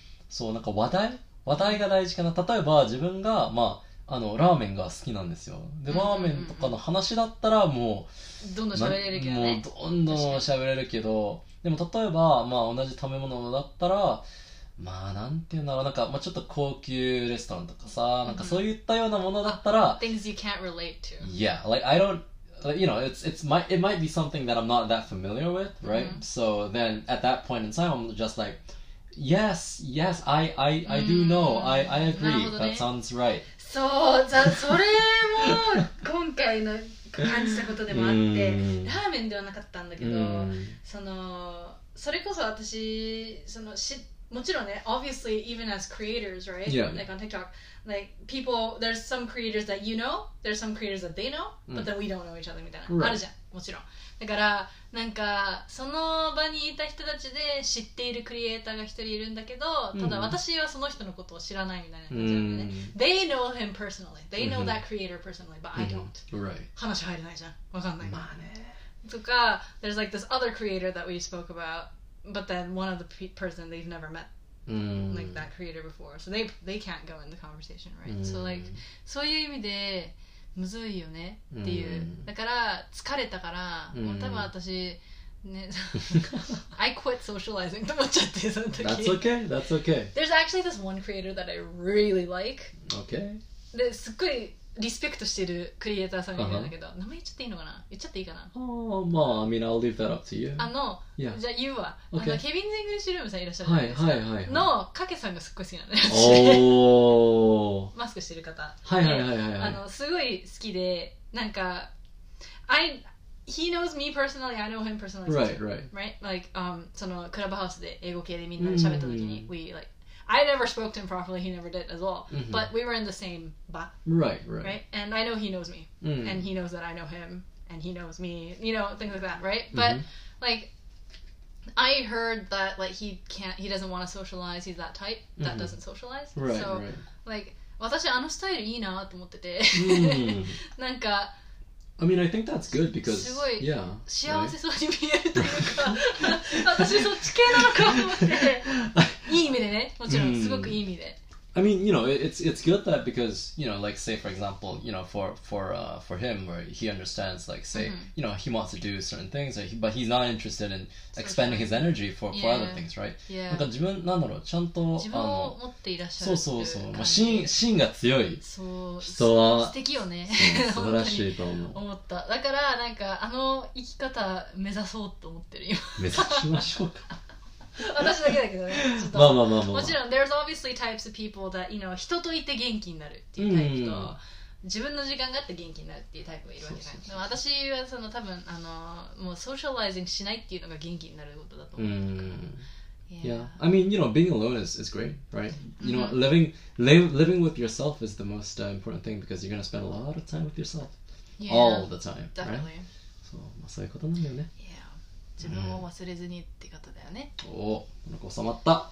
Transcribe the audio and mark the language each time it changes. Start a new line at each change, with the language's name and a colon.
Japanese: そうなんか話題が大事かな例えば自分がまああのラーメンが好きなんですよで、うんうんうん、ラーメンとかの話だったらもうどんどん喋れるけどねもうどんどん喋れるけどでも例えば、まあ、同じ食べ物だったらまあなんて言うんだろうなんか、まあ、ちょっと高級レストランとかさ、うん、なんかそういったようなものだったら
English: Things you can't relate to Yeah, like I don't like, You know, it might be something that I'm not that familiar with, right?、うん、 so then at that point in time I'm just likelike Yes, yes, I do know、うん、I agree,、
Japanese: ね、
English: that sounds right
Japanese: そう、じゃあそれも今回の感じたことでもあってラーメンではなかったんだけど、うん、それこそ私そのしもちろんね
English: obviously even as creators right yeah, like on TikTok like people there's some creators that you know there's some creators that they know、うん、 but then we don't know each other
Japanese: みたいな、
English: right.
Japanese: あるじゃんもちろんだからなんかその場にいた人たちで知っているクリエイターが一人いるんだけどただ私はその人のことを知らないみたいな感じで、ねうん、
English: They know him personally They know that creator personally But I don't、うん right.
Japanese: 話入れないじゃんわかんないまあねとか
English: There's like this other creator that we spoke about But then one of the person they've never met、うん、 Like that creator before So they can't go in the conversation right、うん、 So like
Japanese: そういう意味でむずいよねっていう、うん、だから疲れたから、うん、もう多分私ね
English: I quit socializing
Japanese: と思っちゃってその時
English: That's okay, that's okay There's actually this one creator that I really like Okay
Japanese: ですっごいリスペクトしてるクリエイターさんがいるんだけど、uh-huh. 名前言っちゃっていいのかな言っちゃっていいかな
English: ああ、oh, まあ I mean I'll leave that up to you
Japanese: あの、 yeah. じゃあ言うわ、
English: okay.
Japanese: あのケビンズ・イングリッシュルームさんいらっしゃるんですか、はいはいはいはい、のカケさんがすっごい好きなんだよ、oh. マスクしてる方はいはいはいはい、はい、あのすごい好きでなんか
English: He knows me personally, I know him personally Right, right Right, like、
Japanese: そのクラブハウスで英語系でみんなで喋った時に、 mm-hmm.
English: We likeI never spoke to him properly, he never did as well.、 Mm-hmm. But we were in the same ba. Right, right. Right? And I know he knows me.、 Mm-hmm. And he knows that I know him. And he knows me. You know, things like that, right?、 Mm-hmm. But, like, I heard that, like, he doesn't want to socialize. He's that type that、 doesn't socialize. Right, so, right. So, like,
Japanese: 私あのスタイルいいなって思ってて。なんか、
English: I mean, I think that's good because,
Japanese: すごい、 yeah, 幸せそうに見えるというか、私そっち系なのかと思って。いい意味でね、もちろんすごくいい意味で、うん、
English: I mean, you know, it's good that because, you know, like, say, for example, you know, for him, where he understands, like, say, mm-hmm. you know, he wants to do certain things, but he's not interested in expanding his energy for yeah. other things, right? Yeah.
Japanese: なんか自分、なんだろう、ちゃんと、自分を持っていらっしゃるっていう感じ。そうそうそう。まあ、芯が強い人は、素敵よね。素晴らしいと思う。思った。だから、なんか、あの生き方目指そうと思ってる、今。目指しましょうか。私だけだけどね、まあまあまあまあ、もちろん
English: there's obviously types of people that you know
Japanese: 人といて元気になるっていうタイプと、うん、自分の時間があって元気になるっていうタイプがいるわけじゃない。でも私はその多分もうソーシャライズングしないっていうのが元気になることだと思うから、うん、yeah.
English: yeah I mean you know being alone is great right you know living with yourself is the most important thing because you're gonna spend a lot of time with yourself yeah, all the time definitely、 right?
Japanese: そう、まあ、そういうことなんだよね。自分を忘れずにってことだよね。うん、おお、なんか収まった。